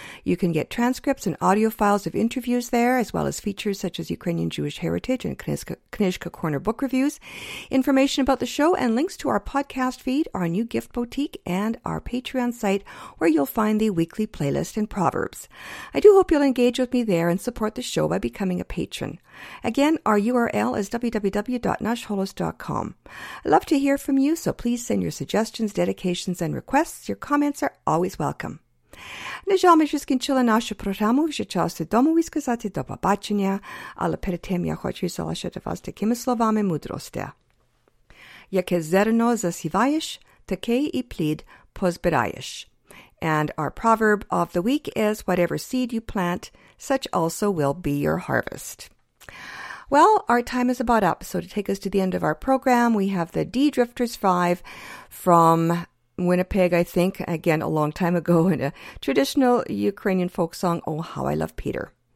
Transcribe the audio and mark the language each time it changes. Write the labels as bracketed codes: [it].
[en] You can get transcripts and audio files of interviews there, as well as features such as Ukrainian Jewish Heritage and Knishka Corner book reviews, information about the show, and links to our podcast feed, our new gift boutique, and our Patreon site, where you'll find the weekly playlist and proverbs. I do hope you'll engage with me there and support the show by becoming a patron. Again, our URL is www.nashholos.com. I'd love to hear from you, so please send your suggestions, dedications, and requests. Your comments are always welcome. [uk] На жаль, ми ще скінчили нашу програму, вже час додому і сказати до побачення, але перед тим я хочу залишити вас такими словами мудрості. Яке зерно засіваєш, таке і плід позбираєш. [en] And our proverb of the week is, whatever seed you plant, such also will be your harvest. Well, our time is about up, so to take us to the end of our program, we have the D Drifters 5 from Winnipeg, I think, again, a long time ago, in a traditional Ukrainian folk song, Oh, How I Love Peter.